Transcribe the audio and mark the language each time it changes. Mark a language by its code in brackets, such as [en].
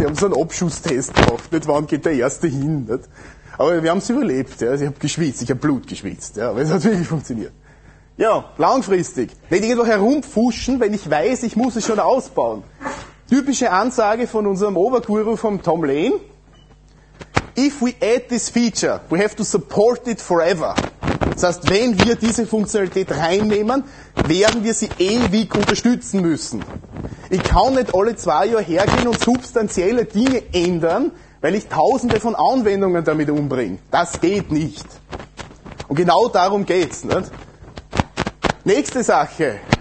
[de] Die haben so einen Abschusstest gemacht, nicht? Wann geht der erste hin. Nicht? Aber wir haben es überlebt. Ja? Also ich habe geschwitzt, ich habe Blut geschwitzt. Ja? Aber es hat wirklich funktioniert. Ja, langfristig. Nicht irgendwo herumfuschen, wenn ich weiß, ich muss es schon ausbauen. Typische Ansage von unserem Oberguru, vom Tom Lane. [en] If we add this feature, we have to support it forever. [de] Das heißt, wenn wir diese Funktionalität reinnehmen, werden wir sie ewig unterstützen müssen. Ich kann nicht alle zwei Jahre hergehen und substanzielle Dinge ändern, weil ich tausende von Anwendungen damit umbringe. Das geht nicht. Und genau darum geht's, nicht? Nächste Sache.